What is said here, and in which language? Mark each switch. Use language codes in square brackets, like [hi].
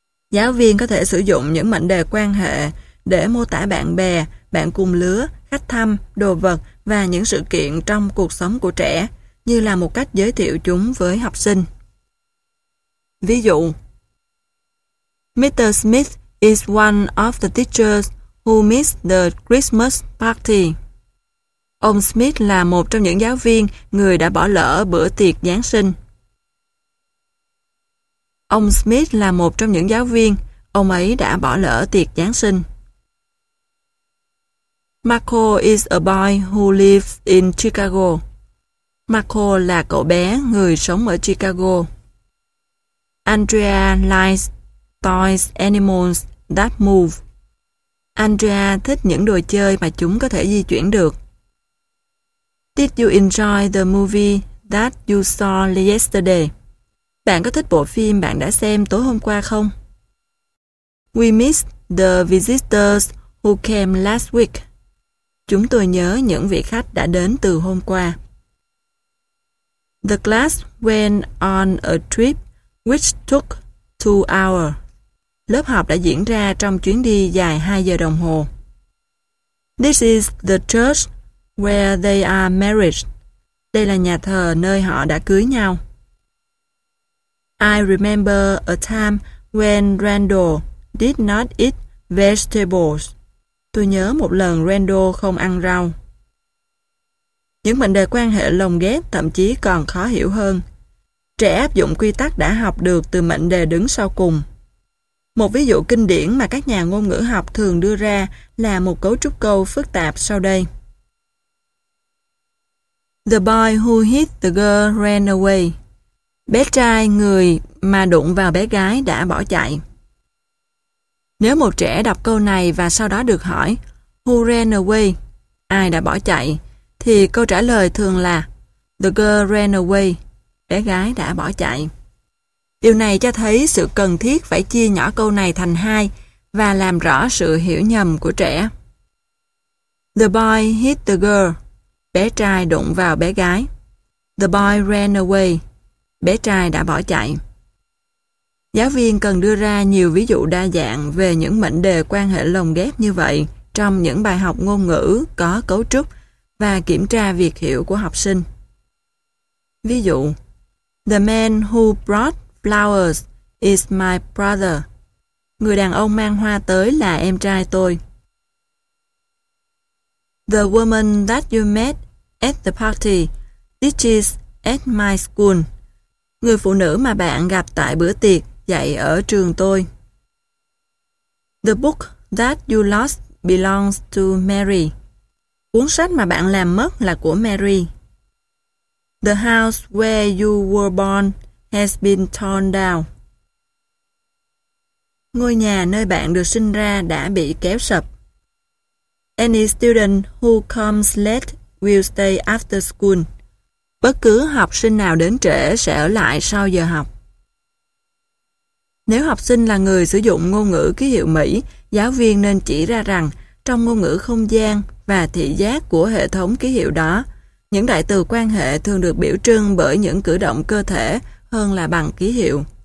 [vi] Giáo viên có thể sử dụng những mệnh đề quan hệ để mô tả bạn bè, bạn cùng lứa, khách thăm, đồ vật và những sự kiện trong cuộc sống của trẻ, như là một cách giới thiệu chúng với học sinh. Ví dụ: Mr. [en] Smith is one of the teachers who missed the Christmas party. [vi] Ông Smith là một trong những giáo viên người đã bỏ lỡ bữa tiệc Giáng sinh. Ông Smith là một trong những giáo viên, ông ấy đã bỏ lỡ tiệc Giáng sinh. [en] Marco is a boy who lives in Chicago. [vi] Marco là cậu bé người sống ở Chicago. [en] Andrea likes toys, animals that move. [vi] Andrea thích những đồ chơi mà chúng có thể di chuyển được. [en] Did you enjoy the movie that you saw yesterday? [vi] Bạn có thích bộ phim bạn đã xem tối hôm qua không? [en] We missed the visitors who came last week. [vi] Chúng tôi nhớ những vị khách đã đến từ hôm qua. [en] The class went on a trip which took 2 hours. [vi] Lớp học đã diễn ra trong chuyến đi dài 2 giờ đồng hồ. [en] This is the church where they are married. [vi] Đây là nhà thờ nơi họ đã cưới nhau. [en] I remember a time when Randall did not eat vegetables. [vi] Tôi nhớ một lần Randall không ăn rau. Những mệnh đề quan hệ lồng ghép thậm chí còn khó hiểu hơn. Trẻ áp dụng quy tắc đã học được từ mệnh đề đứng sau cùng. Một ví dụ kinh điển mà các nhà ngôn ngữ học thường đưa ra là một cấu trúc câu phức tạp sau đây. [en] The boy who hit the girl ran away. [vi] Bé trai người mà đụng vào bé gái đã bỏ chạy. Nếu một trẻ đọc câu này và sau đó được hỏi [en] "Who ran away?" [vi] Ai đã bỏ chạy? Thì câu trả lời thường là [en] "The girl ran away." [vi] Bé gái đã bỏ chạy. Điều này cho thấy sự cần thiết phải chia nhỏ câu này thành hai và làm rõ sự hiểu nhầm của trẻ. [en] The boy hit the girl. [vi] Bé trai đụng vào bé gái. [en] The boy ran away. [vi] Bé trai đã bỏ chạy. Giáo viên cần đưa ra nhiều ví dụ đa dạng về những mệnh đề quan hệ lồng ghép như vậy trong những bài học ngôn ngữ có cấu trúc và kiểm tra việc hiểu của học sinh. Ví dụ, [en] The man who brought flowers is my brother. [vi] Người đàn ông mang hoa tới là em trai tôi. [en] The woman that you met at the party teaches at my school. [vi] Người phụ nữ mà bạn gặp tại bữa tiệc dạy ở trường tôi. [en] The book that you lost belongs to Mary. [vi] Cuốn sách mà bạn làm mất là của Mary. [en] The house where you were born has been torn down. [vi] Ngôi nhà nơi bạn được sinh ra đã bị kéo sập. [en] Any student who comes late will stay after school. [vi] Bất cứ học sinh nào đến trễ sẽ ở lại sau giờ học. Nếu học sinh là người sử dụng ngôn ngữ ký hiệu Mỹ, giáo viên nên chỉ ra rằng trong ngôn ngữ không gian và thị giác của hệ thống ký hiệu đó, những đại từ quan hệ thường được biểu trưng bởi những cử động cơ thể hơn là bằng ký hiệu.